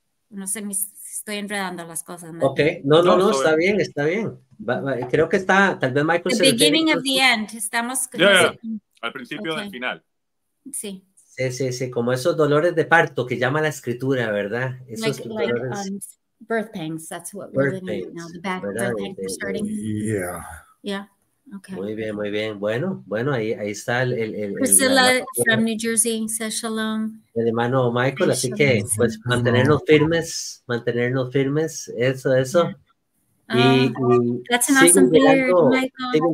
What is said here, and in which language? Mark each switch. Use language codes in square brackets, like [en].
[es] No sé, estoy enredando las cosas. Ok, no, está bien, está bien. Creo que está, tal vez Michael... [en] The beginning of the end, [es] estamos... [en] Yeah. [es] Al principio del final. Sí. Sí, sí, sí, como esos dolores de parto que llama la escritura, ¿verdad? Esos dolores. [en] Birth pangs, that's what we're living in now. The back birth pangs are starting. Yeah. Yeah. Okay. [es] Muy bien, muy bien. Bueno, ahí está el [en] Priscilla from New Jersey says shalom. [es] El hermano Michael, así que pues mantenernos firmes, eso. Yeah. Y [en] that's an awesome beard, Michael.